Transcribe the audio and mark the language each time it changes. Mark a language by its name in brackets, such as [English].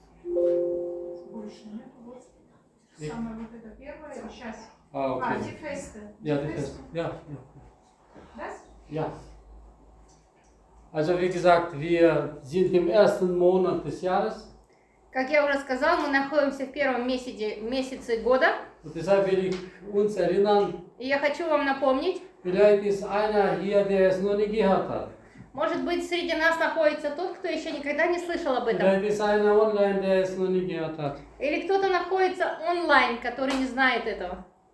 [Russian] Больше нету. Вот. Самое вот это первое. Сейчас. Okay. [German] Die Feste. Ja, die Feste. Ja, ja. Das? Ja. Also, wie gesagt, wir sind im ersten Monat des Jahres. [Russian] Как я уже сказал, мы находимся в первом месяце года. [German] Und deshalb will ich uns erinnern. [Russian] И я хочу вам напомнить. [German] Vielleicht ist einer hier, der es noch nie gehört hat. [Russian] Может быть, среди нас находится тот, кто еще никогда не слышал об этом. Или кто-то находится онлайн, который не знает этого.